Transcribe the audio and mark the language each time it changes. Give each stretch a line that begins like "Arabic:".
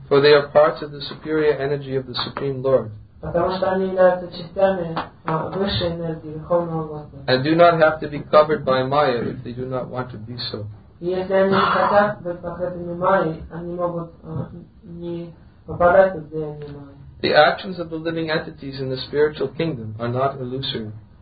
English: For they are parts of the superior energy of the Supreme Lord.
Russian: Потому что они являются частями высшей энергии Верховного Господа.
English: And do not have to be covered by Maya if they do not want to be so.
Russian: И если они не хотят быть покрытыми Майей, они могут не попадать в деяние Майи.
English: The actions of the living entities in the spiritual kingdom are not illusory.